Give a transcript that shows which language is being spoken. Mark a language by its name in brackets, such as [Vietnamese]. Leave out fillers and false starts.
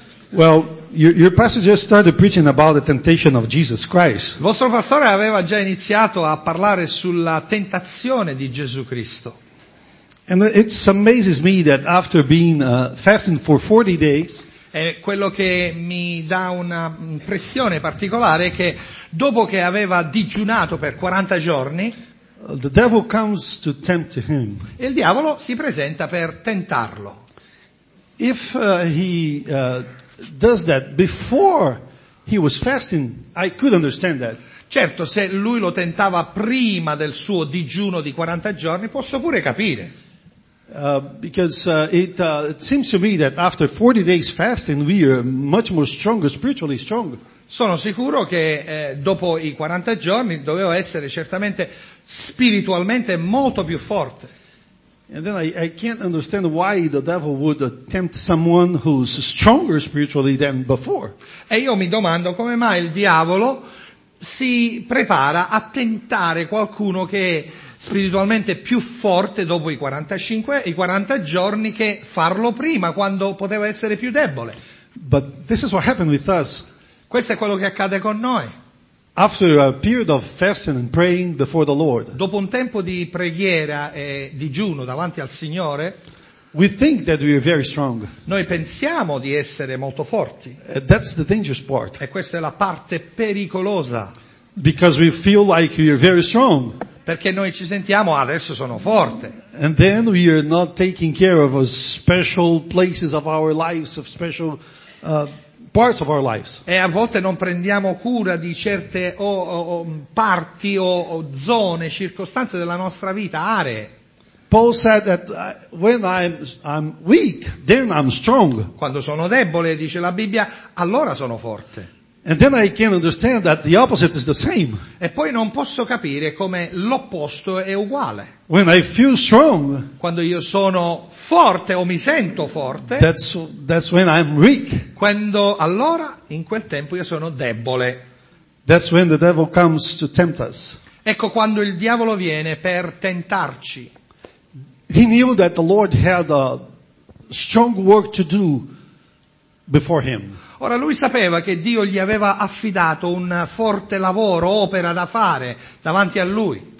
[English] Well, your pastor just started preaching about the temptation of Jesus Christ. [Italian] Il vostro pastore aveva già iniziato a parlare sulla tentazione di Gesù Cristo. [English] And it amazes me that after being fasting for 40 days, [Italian] e quello che mi dà una impressione particolare è che dopo che aveva digiunato per 40 giorni, [English] the devil comes to tempt him. [Italian] Il diavolo si presenta per tentarlo. [English] If he does that before he was fasting, I could understand that. [Italian] Certo, se lui lo tentava prima del suo digiuno di 40 giorni, posso pure capire. [English] Because it seems to me that after 40 days fasting we are much more stronger, spiritually stronger. [Italian] Sono sicuro che dopo i 40 giorni dovevo essere certamente spiritualmente molto più forte. [English] And then I can't understand why the devil would tempt someone who's stronger spiritually than before. [Italian] E io mi domando come mai il diavolo si prepara a tentare qualcuno che è spiritualmente più forte dopo i 40 giorni che farlo prima, quando poteva essere più debole. [English] But this is what happened with us. [Italian] Questo è quello che accade con noi. [English] After a period of fasting and praying before the Lord, [Italian] dopo un tempo di preghiera e digiuno davanti al Signore, [English] we think that we are very strong. [Italian] Noi pensiamo di essere molto forti. [English] That's the dangerous part. [Italian] E questa è la parte pericolosa. [English] Because we feel like we are very strong. [Italian] Perché noi ci sentiamo, adesso sono forte. [English] And then we are not taking care of special places of our lives, of special parts of our lives. [Italian] E a volte non prendiamo cura di certe parti o zone, circostanze della nostra vita, aree. [English] Paul said that when I'm weak, then I'm strong. [Italian] Quando sono debole, dice la Bibbia, allora sono forte. [English] And then I can understand that the opposite is the same. [Italian] E poi non posso capire come l'opposto è uguale. [English] When I feel strong, [Italian] quando io sono forte o mi sento forte, [English] that's when I'm weak. [Italian] Quando allora in quel tempo io sono debole. [English] That's when the devil comes to tempt us. [Italian] Ecco quando il diavolo viene per tentarci. [English] He knew that the Lord had a strong work to do before him. [Italian] Ora lui sapeva che Dio gli aveva affidato un forte lavoro, opera da fare davanti a lui.